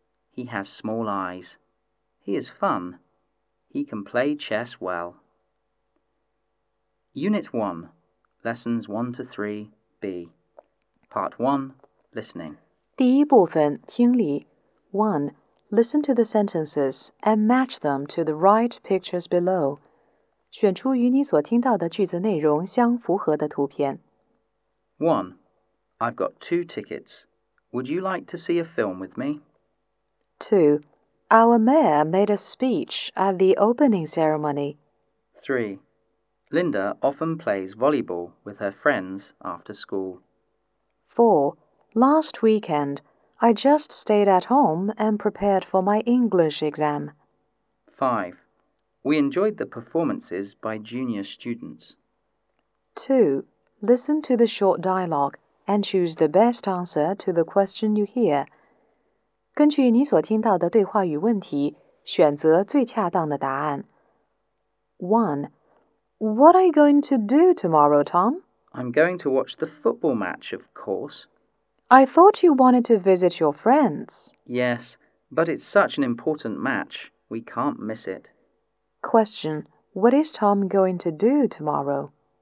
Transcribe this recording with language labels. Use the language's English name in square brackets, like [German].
[English] He has small eyes. He is fun. He can play chess well. Unit 1, Lessons 1 to 3, B. Part 1, Listening. [Chinese] 第一部分，听力。1. [English] Listen to the sentences and match them to the right pictures below. [Chinese] 选出与你所听到的句子内容相符合的图片。 [English] 1. I've got 2 tickets. Would you like to see a film with me? 2. Our mayor made a speech at the opening ceremony. 3. Linda often plays volleyball with her friends after school. 4. Last weekend, I just stayed at home and prepared for my English exam. 5. We enjoyed the performances by junior students. 2. Listen to the short dialogue and choose the best answer to the question you hear. [Chinese] 根据你所听到的对话与问题，选择最恰当的答案。 [English] 1. What are you going to do tomorrow, Tom? I'm going to watch the football match, of course. I thought you wanted to visit your friends. Yes, but it's such an important match. We can't miss it. Question, what is Tom going to do tomorrow?